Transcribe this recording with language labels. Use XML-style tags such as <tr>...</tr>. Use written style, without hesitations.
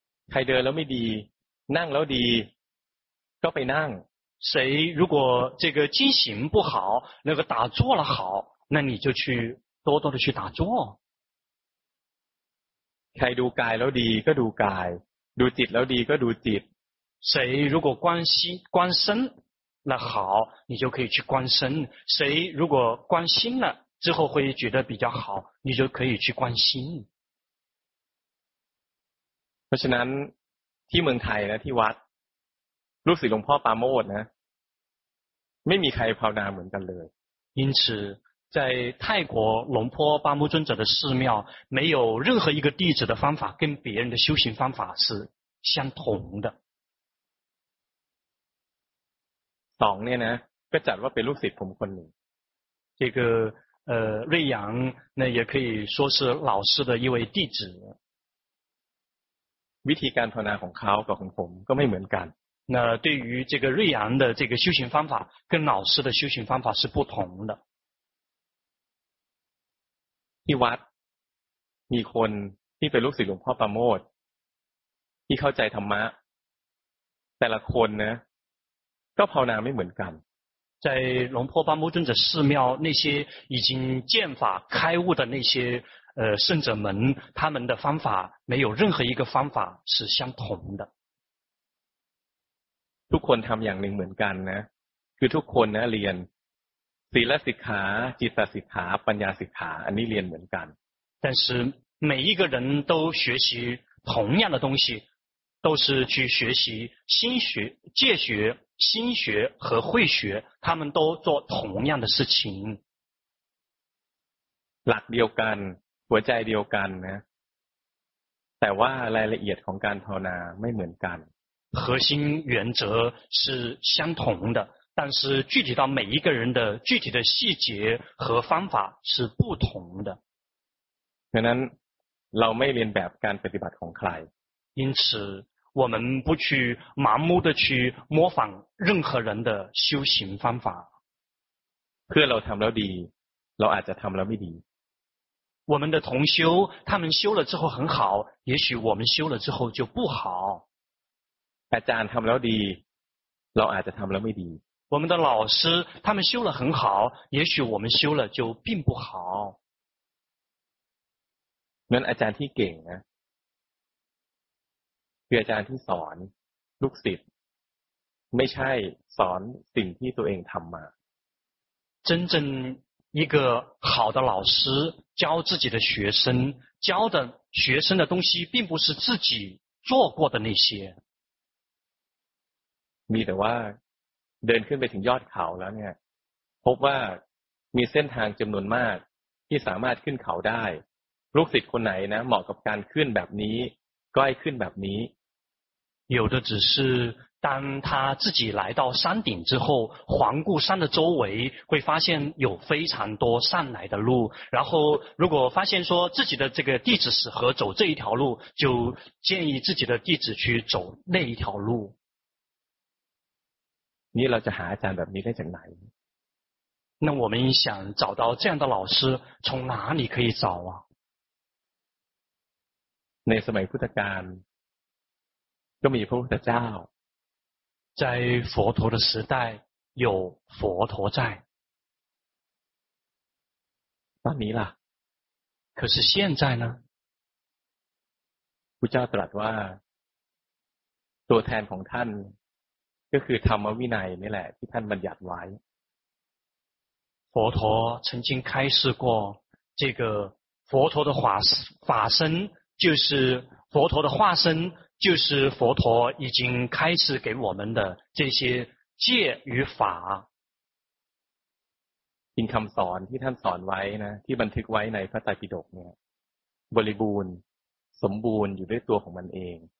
<th>ใครเดินแล้วไม่ดีนั่งแล้วดีก็ไปนั่ง</th> <zh>谁如果这个精行不好那个打坐了好那你就去多多的去打坐</zh> <th>ใครดูกายแล้วดีก็ดูกายดูจิตแล้วดีก็ดูจิต</th> <zh>谁如果观心观身那好你就可以去观身谁如果观心了之后会觉得比较好你就可以去观心</zh> <th>เพราะฉะนั้นที่เมืองไทยนะที่วัดลูกศิษย์หลวงพ่อปาโมทย์นะไม่มีใครภาวนาเหมือนกันเลย</th> <zh>因此在泰国龙坡巴木尊者的寺庙没有任何一个弟子的方法跟别人的修行方法是相同的</zh> <th>2เนี่ยนะก็จัดว่าเป็นลูกศิษย์ผมคนหนึ่ง</th> <zh>这个瑞阳那也可以说是老师的一位弟子</zh> <th>วิธีการภาวนาของเขากับของผมก็ไม่เหมือนกัน</th> <zh>那对于这个瑞阳的这个修行方法跟老师的修行方法是不同的</zh> <th>ที่วัดมีคนที่เป็นลูกศิษย์หลวงพ่อประโมทที่เข้าใจธรรมะแต่ละคนนะก็ภาวนาไม่เหมือนกัน</th> <zh>在龙坡巴木尊者寺庙那些已经见法开悟的那些圣者们他们的方法没有任何一个方法是相同的</zh> <th>ทุกคนทำอย่างหนึ่งเหมือนกันนะคือทุกคนนะเรียนศีลสิกขาจิตสิกขาปัญญาสิกขาอันนี้เรียนเหมือนกัน</th> <zh>但是每一个人都学习同样的东西都是去学习心学戒学心学和慧学他们都做同样的事情</zh> <th>หลักเดียวกันหัวใจเดียวกันนะแต่ว่ารายละเอียดของการภาวนาไม่เหมือนกัน</th> <zh>核心原则是相同的但是具体到每一个人的具体的细节和方法是不同的。</zh> <th>ฉะนั้นเราไม่เรียนแบบการปฏิบัติของใคร。</th> <zh>因此我们不去盲目的去模仿任何人的修行方法。</zh> <th>เพื่อเราทำแล้วดีเราอาจจะทำแล้วไม่ดี。</th> <zh>我们的同修他们修了之后很好也许我们修了之后就不好。</zh> <th>อาจารย์ทำแล้วดีเราอาจจะทำแล้วไม่ดี</th> <zh>我们的老师他们修了很好也许我们修了就并不好</zh> <th>นั้นอาจารย์ที่เก่งนะคืออาจารย์ที่สอนลูกศิษย์ ไม่ใช่สอนสิ่งที่ตัวเองทำมา</th> <zh>真正一个好的老师教自己的学生教的学生的东西并不是自己做过的那些</zh> <th>มีแต่ว่าเดินขึ้นไปถึงยอดเขาแล้วเนี่ยพบว่ามีเส้นทางจำนวนมากที่สามารถขึ้นเขาได้ลูกศิษย์คนไหนนะเหมาะกับการขึ้นแบบนี้ก็ให้ขึ้นแบบนี้</th> <zh>有的只是当他自己来到山顶之后环顾山的周围会发现有非常多上来的路然后如果发现说自己的这个弟子适合走这一条路就建议自己的弟子去走那一条路</zh> <th>นี่เราจะหาอาจารย์แบบนี้ได้จากไหน</th> <zh>那我们想找到这样的老师从哪里可以找啊</zh> <th>ในสมัยพุทธกาลก็มีพระพุทธเจ้า</th> <zh>在佛陀的时代有佛陀在</zh> <th>ตอนนี้ล่ะ</th> <zh>可是现在呢</zh> <th>พุทธเจ้าตรัสว่าตัวแทนของท่านก็คือธรรมวินัยนี่แหละที่ท่านบัญญัติไว้</th> <zh>佛陀曾经开示过这个佛陀的法身就是佛陀的化身就是佛陀已经开示给我们的这些戒与法</zh> <th>เป็นคำสอนที่ท่านสอนไว้นะที่บันทึกไว้ในพระไตรปิฎกเนี่ยบริบูรณ์สมบูรณ์อยู่ด้วยตัวของมันเอง</th>